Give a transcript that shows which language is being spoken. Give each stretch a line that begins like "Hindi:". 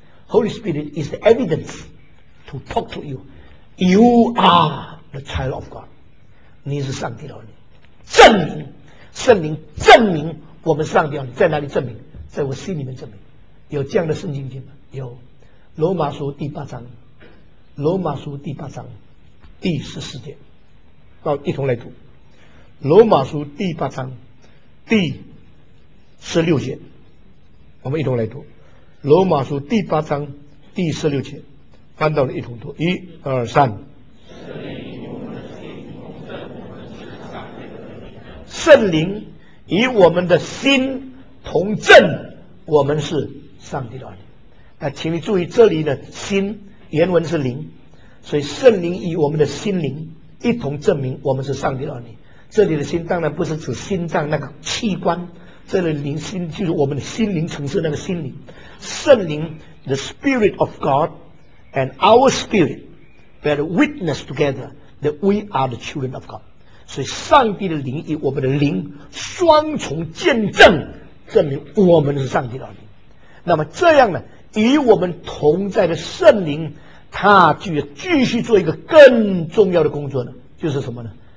English: Holy Spirit is the evidence to talk to you. You are the child of God.
Chinese: 你是上帝的儿女。证明，圣灵证明我们上帝的儿女，在哪里证明？在我心里面证明。有这样的圣经经吗？有。罗马书第八章，罗马书第八章第十四节，好，一同来读。罗马书第八章第十六节，我们一同来读。罗马书第八章第十六节，翻到了一同读，一二三。圣灵与我们的心同证我们是上帝的儿女。那请你注意，这里的心原文是灵，所以圣灵与我们的心灵一同证明我们是上帝的儿女。这里的心当然不是指心脏那个器官，这里灵心就是我们的心灵层次，那个心灵。
English: 圣灵 The Spirit of God and our spirit bear witness together that we are the children of God。
Chinese: 所以上帝的灵与我们的灵双重见证，证明我们是上帝的儿女。那么这样呢，与我们同在的圣灵，他就要继续做一个更重要的工作呢，就是什么呢？